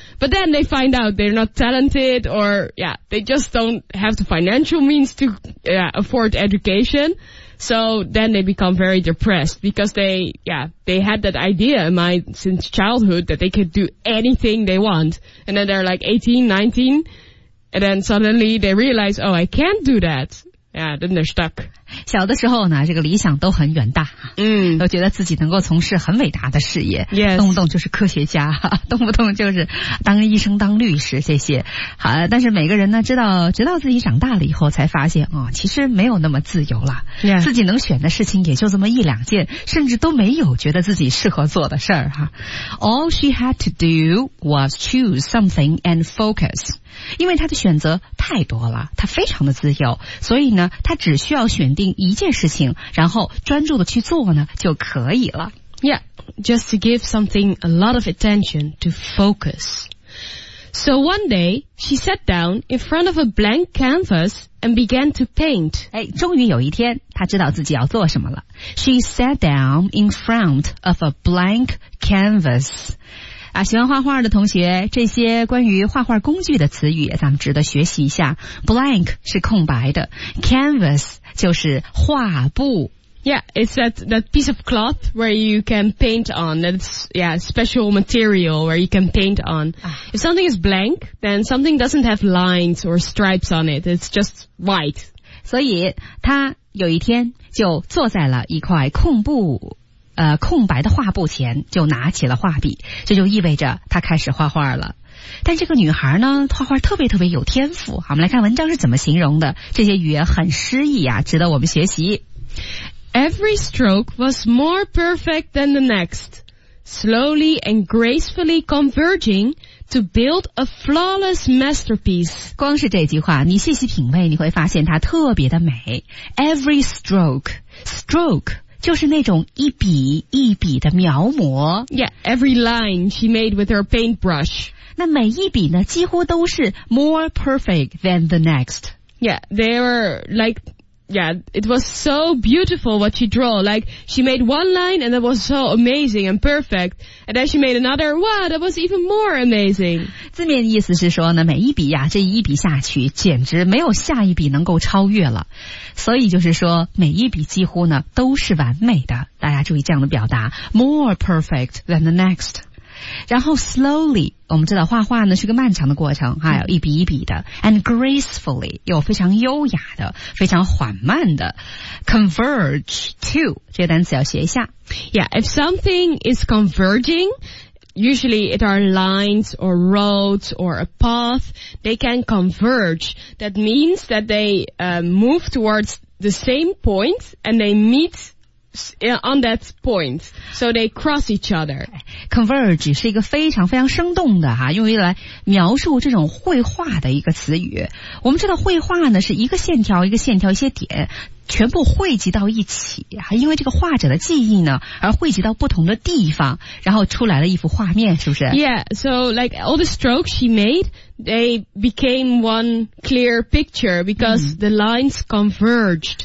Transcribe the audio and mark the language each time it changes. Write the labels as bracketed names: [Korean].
[English] But then they find out they're not talented or, yeah, they just don't have the financial means to, yeah, afford education. So then they become very depressed because they, yeah, they had that idea in mind since childhood that they could do anything they want. And then they're like 18, 19... And then suddenly they realize, oh, I can't do that. Yeah, then they're stuck. [Chinese] 小的时候呢，这个理想都很远大，都觉得自己能够从事很伟大的事业， [English] yes. [Chinese] 动不动就是科学家，动不动就是当医生、当律师这些。好，但是每个人呢，知道直到自己长大了以后，才发现哦，其实没有那么自由了， [English] yeah. [Chinese] 自己能选的事情也就这么一两件，甚至都没有觉得自己适合做的事儿哈。 [English] All she had to do was choose something and focus. [Chinese] 因为他的选择太多了，他非常的自由，所以呢，他只需要选定一件事情，然后专注的去做呢，就可以了。 [English] Yeah, just to give something a lot of attention, to focus. So one day, she sat down in front of a blank canvas and began to paint. [Chinese] 哎，终于有一天，她知道自己要做什么了。 [English] She sat down in front of a blank canvas. [Chinese] 啊，喜欢画画的同学，这些关于画画工具的词语咱们值得学习一下。 Blank 是空白的， Canvas 就是画布。 [English] Yeah, it's that piece of cloth where you can paint on. That's, yeah, special material where you can paint on. If something is blank, then something doesn't have lines or stripes on it. It's just white. [Chinese] 所以他有一天就坐在了一块空布空白的画布前，就拿起了画笔，这就意味着她开始画画了。但这个女孩呢，画画特别特别有天赋。我们来看文章是怎么形容的，这些语言很诗意啊，值得我们学习。 [English] Every stroke was more perfect than the next, slowly and gracefully convergingTo build a flawless masterpiece. [Chinese] 光是这句话，你细细品味，你会发现它特别的美。 [English] Every stroke, stroke. [Chinese] 就是那种一笔一笔的描摹。 [English] Yeah, every line she made with her paintbrush. [Chinese] 那每一笔呢，几乎都是 [English] more perfect than the next. Yeah, they were like, yeah, it was so beautiful what she drew. Like, she made one line and that was so amazing and perfect. And then she made another, wow, that was even more amazing. [Chinese] 字面意思是说呢，每一笔呀，这一笔下去，简直没有下一笔能够超越了。所以就是说每一笔几乎呢都是完美的，大家注意这样的表达， [English] more perfect than the next。 [Chinese] 然后 slowly， 我们知道画画呢是个漫长的过程，还有一笔一笔的， [English] and gracefully [Chinese] 又非常优雅的，非常缓慢的， converge to 这个单词要学一下。 [English] Yeah, if something is convergingUsually it are lines or roads or a path. They can converge. That means that they, move towards the same point and they meet on that point. So they cross each other. [Chinese] Converge 是一个非常非常生动的哈，用于来描述这种绘画的一个词语。我们知道绘画呢是一个线条一个线条一些点全部汇集到一起，还因为这个画者的记忆呢而汇集到不同的地方，然后出来了一幅画面，是不是？ [English] Yeah, so like all the strokes she made, they became one clear picture because the lines converged.